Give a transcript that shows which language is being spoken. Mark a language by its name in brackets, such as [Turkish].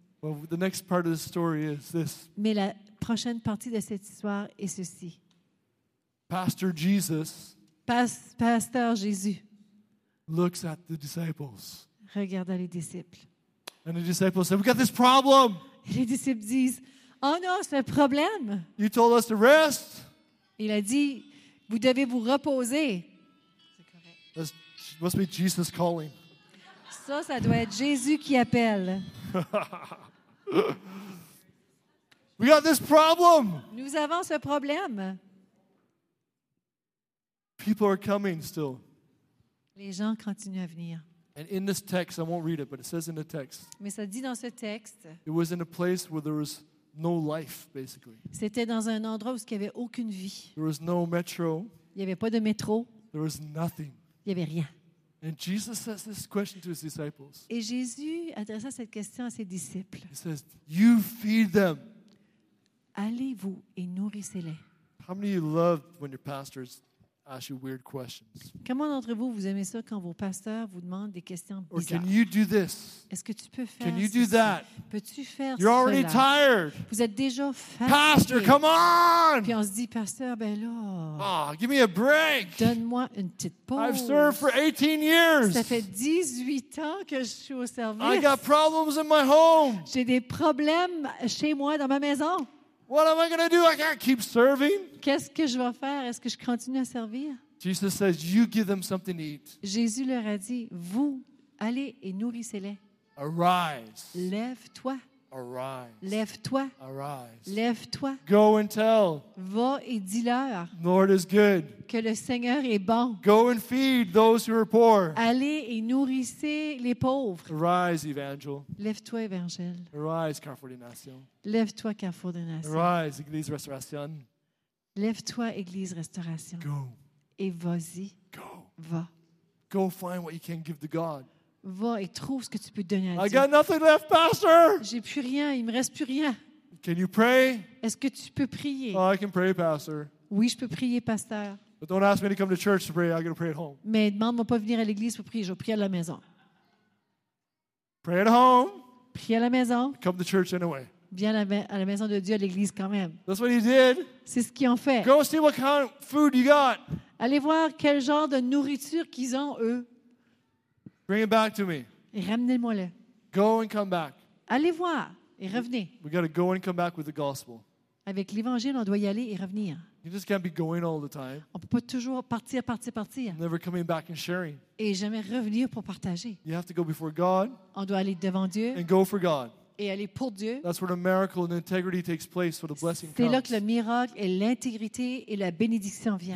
[English] Well, the next part of the story is this. [French] Mais la prochaine partie de cette histoire est ceci. [English] Pastor Jesus. [French] Pasteur Jésus. [English] Looks at the disciples. [French] Regarde les disciples. [English] And the disciples say, "We got this problem." [French] Les disciples disent, "Oh non, c'est un problème." [English] You told us to rest. [French] Il a dit, vous devez vous reposer. [English] That must be Jesus calling. [French] Ça, ça doit être Jésus qui appelle. [English] We got this problem. [French] Nous avons ce problème. [English] People are coming still. [French] Les gens continuent à venir. [English] And in this text, I won't read it, but it says in the text. [French] Mais ça dit dans ce texte. [English] It was in a place where there was no life, basically. [French] C'était dans un endroit où il n'y avait aucune vie. [English] There was no metro. [French] Il n'y avait pas de métro. [English] There was nothing. [French] Il n'y avait rien. [English] And Jesus says this question to his disciples. [French] Et Jésus adressa cette question à ses disciples. [English] He says, "You feed them." [French] Allez-vous et nourrissez-les. [English] How many of you love when your pastors ask you weird questions? [French] Comment d'entre vous vous aimez ça quand vos pasteurs vous demandent des questions bizarres? [English] Or can you do this? [French] Est-ce que tu peux faire ça? [English] Can you do that? [French] Peux-tu faire [English] You're already [French] cela? [English] Tired. [French] Vous êtes déjà fatigué. [English] Pastor, come on! [French] Puis on se dit, pasteur, ben là. [English] Ah, give me a break. [French] Donne-moi une petite pause. [English] I've served for 18 years. [French] Ça fait 18 ans que je suis au service. [English] I got problems in my home. [French] J'ai des problèmes chez moi dans ma maison. [English] What am I going to do? I can't keep serving. [French] Qu'est-ce que je vais faire? Est-ce que je continue à servir? [English] Jesus says, "You give them something to eat." [French] Jésus leur a dit, vous allez et nourrissez-les. [English] Arise. [French] Lève-toi. [English] Arise. [French] Lève-toi. [English] Arise. [French] Lève-toi. [English] Go and tell. [French] Va et dis-leur. [English] Lord is good. [French] Que le Seigneur est bon. [English] Go and feed those who are poor. [French] Allez et nourrissez les pauvres. [English] Arise, Evangel. [French] Lève-toi, Evangel. [English] Arise, Carrefour des Nations. [French] Lève-toi, Carrefour des Nations. [English] Arise, Église Restauration. [French] Lève-toi, Église Restauration. [English] Go. [French] Et vas-y. [English] Go. [French] Va. [English] Go find what you can give to God. [French] Va et trouve ce que tu peux donner à Dieu. [English] I got nothing left, Pastor. [French] J'ai plus rien, il me reste plus rien. [English] Can you pray? [French] Est-ce que tu peux prier? [English] Oh, I can pray, Pastor. [French] Oui, je peux prier, Pasteur. [English] But don't ask me to come to church to pray. I got to pray at home. [French] Mais demande-moi pas de venir à l'église pour prier. Je vais prier à la maison. [English] Pray at home. [French] Prie à la maison. [English] Come to church anyway. [French] Viens à la maison de Dieu, à l'église quand même. [English] That's what he did. [French] C'est ce qu'ils ont fait. [English] Go see what kind of food you got. [French] Allez voir quel genre de nourriture qu'ils ont eux. [English] Bring it back to me. [French] Et ramenez-moi-le. [English] Go and come back. [French] Allez voir et revenez. [English] We got to go and come back with the gospel. [French] Avec l'évangile, on doit y aller et revenir. [English] You just can't be going all the time. [French] On peut pas toujours partir. [English] Never coming back and sharing. [French] Et jamais revenir pour partager. [English] You have to go before God. [French] On doit aller devant Dieu. [English] And go for God. [French] Et aller pour Dieu. [English] That's where the miracle and integrity takes place, where the blessing comes. [French] C'est là que le miracle et l'intégrité et la bénédiction vient.